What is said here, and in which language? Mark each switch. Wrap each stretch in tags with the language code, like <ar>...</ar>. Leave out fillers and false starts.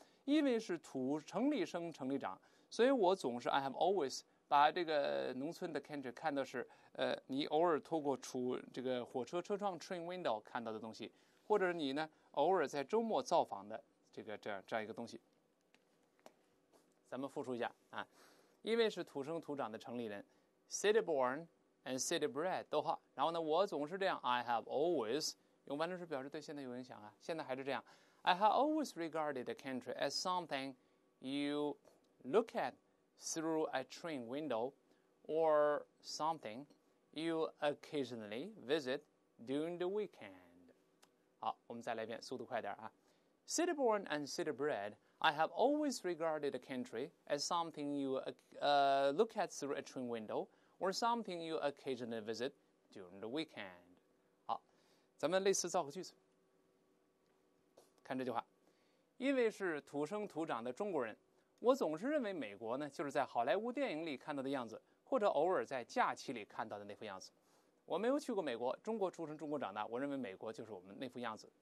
<zh>因为是土城里生城里长，所以我总是</zh> <en>I have always</en> <zh>把这个农村的 country 看的是，你偶尔透过这个火车车窗 train window 看到的东西，或者你呢偶尔在周末造访的这样一个东西。咱们复述一下啊，因为是土生土长的城里人，</zh> <en>city born and city bred</en> <zh>都好，然后呢，我总是这样，</zh> <en>I have always。</en> <zh>用完成时表示对现在有影响啊，现在还是这样。</zh> <en>I have always regarded the country as something you look at through a train window, or something you occasionally visit during the weekend。</en> <zh>好，我们再来一遍，速度快点啊。</zh> <en>City born and city bred, I have always regarded the country as something you look at through a train window, or something you occasionally visit during the weekend。</en> <zh>咱们类似造个句子，看这句话，因为是土生土长的中国人，我总是认为美国呢，就是在好莱坞电影里看到的样子，或者偶尔在假期里看到的那副样子。我没有去过美国，中国出生，中国长大，我认为美国就是我们那副样子。</zh>